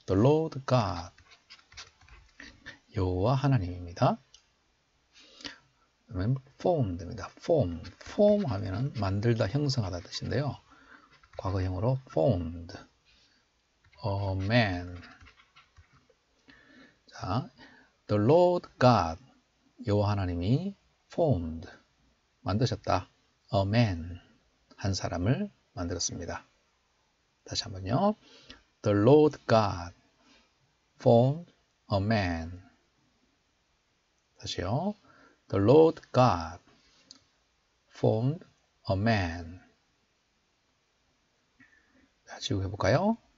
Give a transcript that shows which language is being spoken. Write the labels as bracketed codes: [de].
[en] The Lord God, [ko] 여호와 하나님입니다. 그러면 form 됩니다. form, form 하면은 만들다, 형성하다 뜻인데요. [en] 과거형으로 formed a man. [ko] 자, [en] The Lord God, [ko] 여호와 하나님이 formed, 만드셨다. [en] a man, [ko] 한 사람을 만들었습니다. 다시 한번요. [en] The Lord God formed a man. [ko] 다시요. [en] The Lord God formed a man. [ko] 다시 해볼까요?